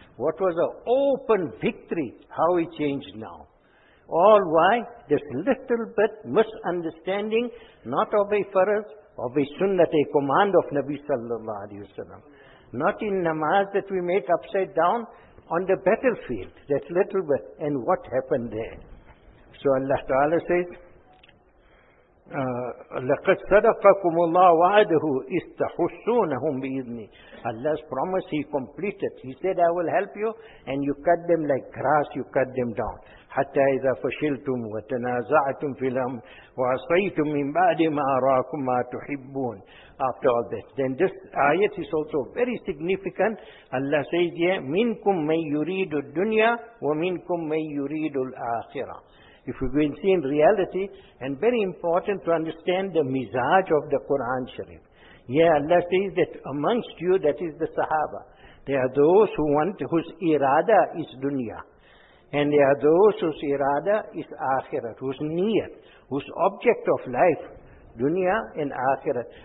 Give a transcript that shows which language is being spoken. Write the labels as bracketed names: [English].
[English] What was an open victory, how it changed now. All why? This little bit misunderstanding, not of a faraz, of a sunnah, a command of Nabi sallallahu alayhi wa sallam. Not in namaz that we make upside down on the battlefield. That little bit. And what happened there? So Allah Ta'ala says, [Arabic] لَقَدْ صَدَقَكُمُ اللَّهُ وَعَدَهُ إِسْتَحُسُّونَهُمْ بِإِذْنِي. [English] Allah's promise He completed. He said, I will help you. And you cut them like grass, you cut them down. [Arabic] حَتَّى إِذَا فَشِلْتُمْ وَتَنَازَعْتُمْ فِي الْأَمْرِ وَعَصَيْتُمْ مِنْ بَعْدِ مَا أَرَاكُمْ مَا تُحِبُّونَ. [English] After all that, then this ayat is also very significant. Allah says here, [Arabic] مِنْكُمْ مَنْ يُرِيدُ الدُّنْيَا وَمِنْكُمْ مَنْ يُرِيدُ الْآخِرَةِ. [English] If we can see in reality, and very important to understand the mizaj of the Quran Sharif. Yeah, Allah says that amongst you, that is the Sahaba, there are those who want, whose irada is dunya. And there are those whose irada is akhirat, whose niyat, whose object of life, dunya and akhirat.